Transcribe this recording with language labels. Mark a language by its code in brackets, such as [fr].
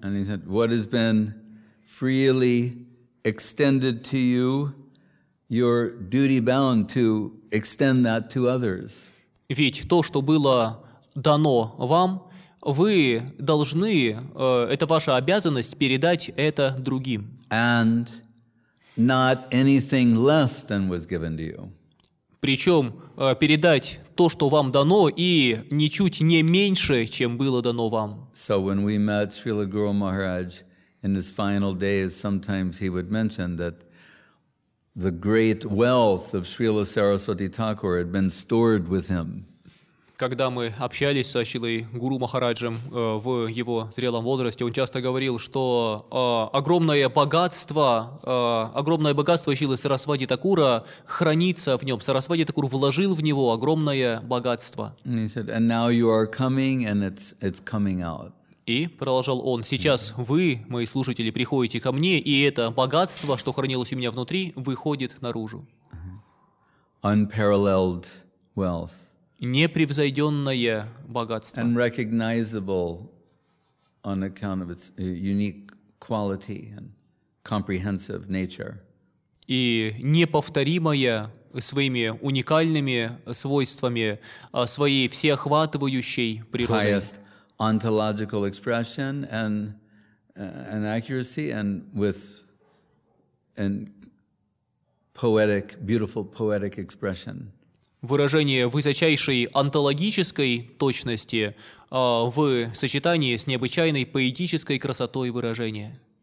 [en] And he said, what has been freely extended to you, you're duty bound to extend that to others. [ru] Ведь то, что было дано вам, вы должны, это ваша обязанность, передать это другим. [en] And not anything less than was given to you. [ru] Причем передать то, что вам дано, и ничуть не меньше, чем было дано вам. [en] So when we met Srila Guru Maharaj in his final days, sometimes he would mention that the great wealth of Srila Saraswati Thakur had been stored with him. [ru] Когда мы общались со Шилой Гуру Махараджем в его зрелом возрасте, он часто говорил, что огромное богатство Шилы Сарасвати Такура хранится в нем. Сарасвати Такур вложил в него огромное богатство. [en] And he said, and now you are coming, and it's coming out. [ru] И продолжал он, сейчас вы, мои слушатели, приходите ко мне, и это богатство, что хранилось у меня внутри, выходит наружу. [en] Unparalleled wealth. [ru] Непревзойденное богатство. [en] And recognizable on account of its unique quality and comprehensive nature. [ru] И неповторимое своими уникальными свойствами, своей всеохватывающей природой. [en] Highest ontological expression and accuracy and with and poetic, beautiful poetic expression. [ru] Выражение высочайшей онтологической точности в сочетании с необычайной поэтической красотой выражения.